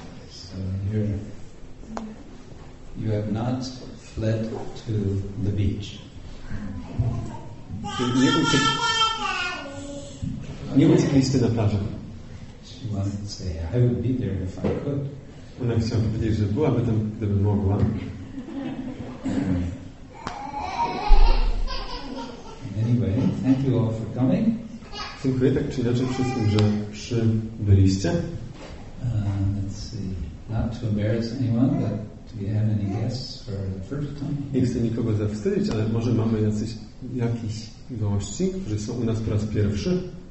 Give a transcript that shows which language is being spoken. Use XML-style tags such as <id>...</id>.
<en>So you have not fled to the beach.</en> <pl>Nie uciekłeś do plaży.</pl> <en>She wanted to say, I would be there if I could.</en> <pl>Ona chciała powiedzieć, że byłaby tam, gdyby mogła.</pl> <en>Anyway, thank you all for coming.</en> <pl>Dziękuję tak czy inaczej wszystkim, że przybyliście.</pl> <en>Let's see. Not to embarrass anyone, but do we have any guests for the first time?</en> <pl>Nie chcę nikogo zawstydzić, ale może mamy jakichś gości, którzy są u nas po raz pierwszy.</pl>